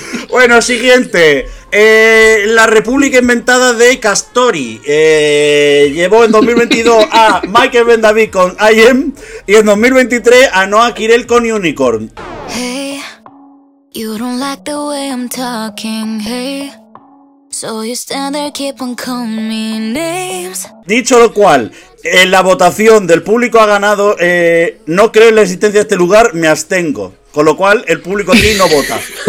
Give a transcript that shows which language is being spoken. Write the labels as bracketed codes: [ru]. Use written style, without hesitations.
[es] Bueno, siguiente. La República Inventada de Castori llevó en 2022 a Michael Bendavid con I Am y en 2023 a Noah Kirel con Unicorn. [en] You don't like the way I'm talking, hey. So you stand there, keep on calling me names. [es] Dicho lo cual, en la votación del público ha ganado. No creo en la existencia de este lugar, me abstengo. Con lo cual, el público aquí no vota.